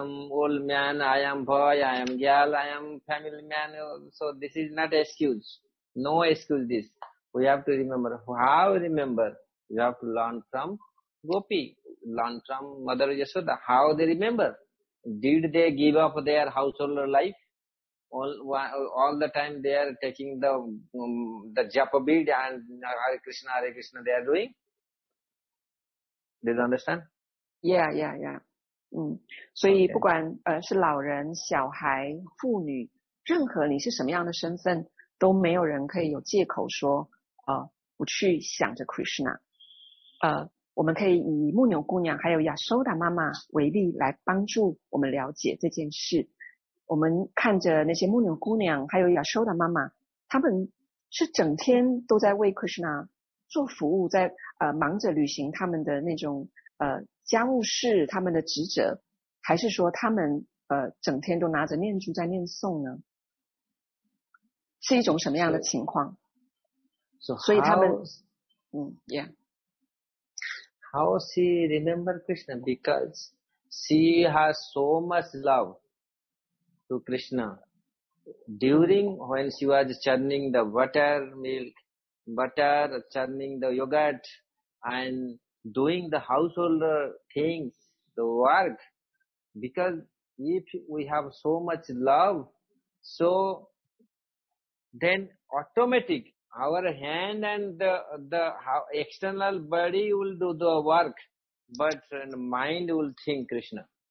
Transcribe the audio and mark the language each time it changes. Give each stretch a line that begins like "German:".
English: old man, I am boy, I am girl, I am family man, so this is not excuse, no excuse this, we have to remember, how remember, you have to learn from Gopi, learn from Mother Yashoda, how they remember, did they give up their household life? All the time they are taking the japa bead and Hare Krishna they are doing. Did you understand? Yeah.
Chinese: 所以不管 是老人、小孩、妇女，任何你是什么样的身份，都没有人可以有借口说不去想着 Krishna. 我们可以以牧牛姑娘还有 Yashoda 妈妈为例来帮助我们了解这件事。我们看着那些牧牛姑娘还有亚修达妈妈，他们是整天都在为 Krishna 做服务，在忙着履行他们的那种家务事，他们的职责，还是说他们整天都拿着念珠在念诵呢？是一种什么样的情况？所以他们，
English: How she remember Krishna? Because she has so much love to Krishna. During when she was churning the butter milk, butter, churning the yogurt and doing the household things, the work, because if we have so much love, so then automatic our hand and the external body will do the work, but mind will think Krishna.